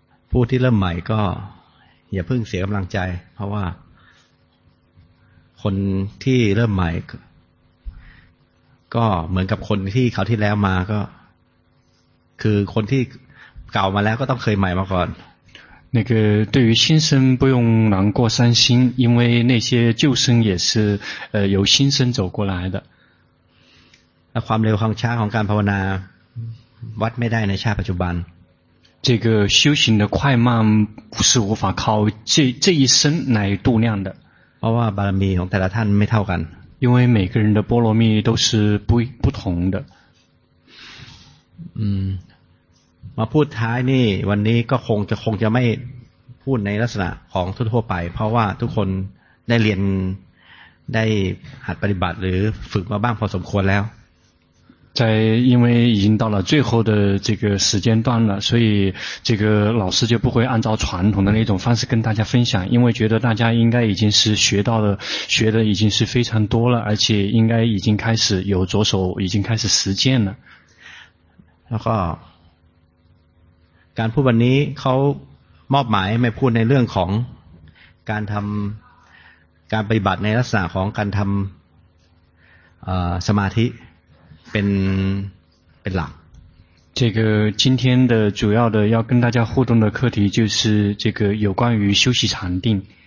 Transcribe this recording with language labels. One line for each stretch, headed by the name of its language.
Thai: ผู้ที่เริ่มใหม่ก็อย่าเพิ่งเสียกำลังใจเพราะว่าคนที่เริ่มใหม่ก็เหมือนกับคนที่เขาที่แล้วมาก็คือคนที่เก่ามาแล้วก็ต้องเคยใหม่มาก่อน
Chinese: 那个对于新生不用难过伤心因为那些旧生也是由新生走过来的
Thai: ความเร็วความช้าของการภาวนาวัดไม่ได้ในชาติปัจจุบัน
Chinese: 这个修行的快慢是无法靠这一生来度量的
Thai: เพราะว่าบารมีของแต่ละท่านไม่เท่ากัน
Chinese: 因为每个人的波罗蜜都是不同的
Thai: มาพูดท้ายนี่วันนี้ก็คงจะไม่พูดในลักษณะของทั่วไปเพราะว่าทุกคนได้เรียนได้หัดปฏิบัติหรือฝึกมาบ้างพอสมควรแล้ว ใช่
Chinese: 因为已经到了最后的这个时间段了所以这个老师就不会按照传统的那种方式跟大家分享因为觉得大家应该已经是学到了学的已经是非常多了而且应该已经开始有着手已经开始实践了然后
Thai: การพูดวันนี้เขามอบหมายให้มาพูดในเรื่องของการทำการปฏิบัติในลักษณะของการทำสมาธิเป็นหลัก
Chinese: 这个今天的主要的要跟大家互动的课题就是这个有关于修习禅定